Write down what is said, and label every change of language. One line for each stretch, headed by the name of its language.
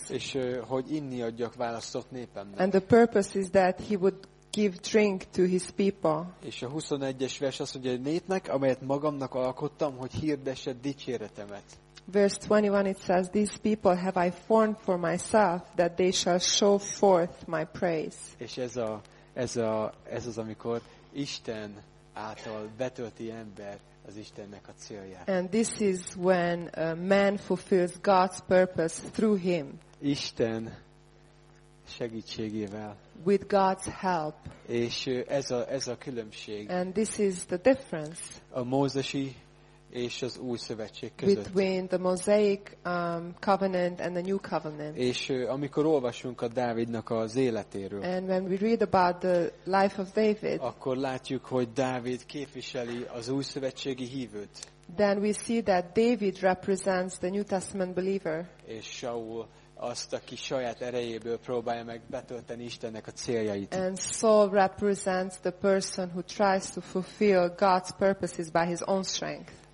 Hungarian: És hogy inni adjak választott népemnek.
English: And the purpose is that he would give drink to his people.
Hungarian: És a 21-es vers azt mondja, hogy népnek, amelyet magamnak alkottam, hogy hirdesse dicséretemet.
English: Verse 21 it says, these people have I formed for myself that they shall show forth my praise.
Hungarian: És ez az, amikor Isten által betölti ember az Istennek a célja.
English: And this is when a man fulfills God's purpose through him.
Hungarian: Isten segítségével.
English: With God's help.
Hungarian: És ez a különbség.
English: And this is the difference.
Hungarian: A mózesi és az új szövetség között.
English: Between the Mosaic covenant and the new covenant.
Hungarian: És amikor olvasunk a Dávidnak az életéről.
English: And when we read about the life of David.
Hungarian: Akkor látjuk, hogy Dávid képviseli az új szövetségi hívőt.
English: Then we see that David represents the New Testament believer.
Hungarian: És Saul azt, aki saját erejéből próbálja meg betölteni Istennek a céljait.
English: And Saul represents the person who tries to fulfill God's purposes by his own strength.